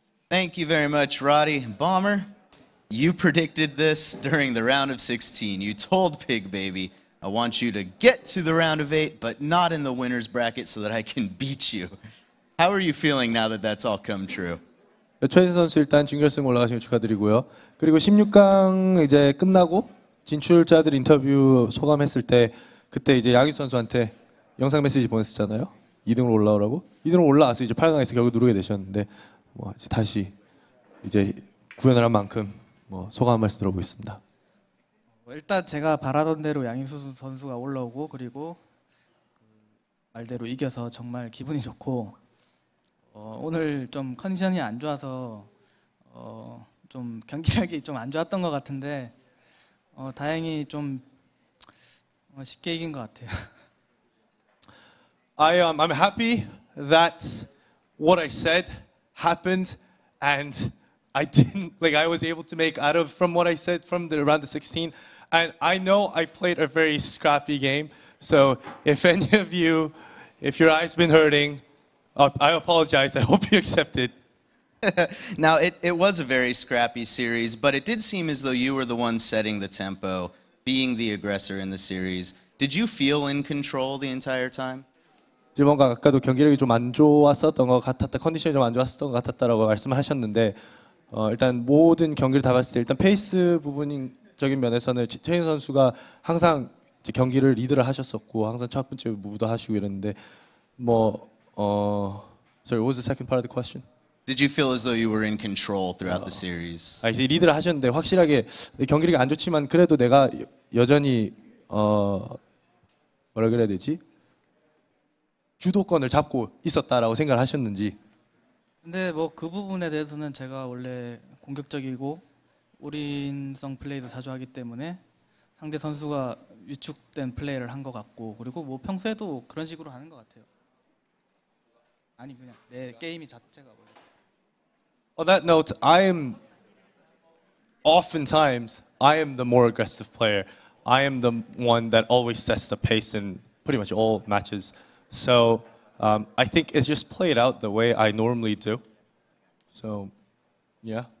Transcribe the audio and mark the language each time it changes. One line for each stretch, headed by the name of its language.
English: Thank you very much, Roddy. Bomber, you predicted this during the round of 16. You told Pig Baby, I want you to get to the round of 8, but not in the winner's bracket so that I can beat you. How are you feeling now that that's all come true?
Korean: 최진 선수 일단 준결승 올라가시면 축하드리고요. 그리고 16강 이제 끝나고 진출자들 인터뷰 소감했을 때 그때 이제 양희 선수한테 영상 메시지 보냈었잖아요. 2등으로 올라오라고. 2등으로 올라와서 이제 8강에서 결국 누르게 되셨는데 뭐 이제 다시 이제 구현을 한 만큼 뭐 소감 말씀 들어보겠습니다. 일단 제가 바라던 대로 양희수 선수가 올라오고 그리고 그 말대로 이겨서 정말 기분이 좋고 오늘 좀 컨디션이 안 좋아서 좀 경기력이 좀 안 좋았던 것 같은데 다행히 좀 쉽게 이긴 것 같아요.
English: I'm happy that what I said happened and I didn't like I was able to make out of from what I said from the round of 16. And I know I played a very scrappy game. So if any of you, if your eyes been hurting, I apologize. I hope you accept it. Now, it was a very scrappy series, but it did seem as though you were the one setting the tempo, being the aggressor in the series. Did you feel in control the entire time?
Korean: 뭔가 아까도 경기력이 좀 안 좋았었던 것 같았다, 컨디션이 좀 안 좋았었던 것 같았다라고 말씀을 하셨는데 일단 모든 경기를 다 봤을 때 일단 페이스 부분인 적인 면에서는 최인 선수가 항상 이제 경기를 리드를 하셨었고 항상 첫 번째 무브도 하시고 이랬는데 뭐
English: sorry, what was the second part of the question? Did you feel as though you were in control throughout the series?
Korean: 이제 리드를 하셨는데 확실하게 경기력이 안 좋지만 그래도 내가 여전히 뭐라 그래야 되지? 주도권을 잡고 있었다라고 생각을 하셨는지. 근데 뭐 그 부분에 대해서는 제가 원래 공격적이고 올인성 플레이도 자주 하기 때문에 상대 선수가 위축된 플레이를 한 것 같고 그리고 뭐 평소에도 그런 식으로 하는 것 같아요. 아니 그냥 내 게임이 자체가
English: On that note, I am oftentimes I am the more aggressive player. I am the one that always sets the pace in pretty much all matches. So I think it's just played out the way I normally do. So yeah.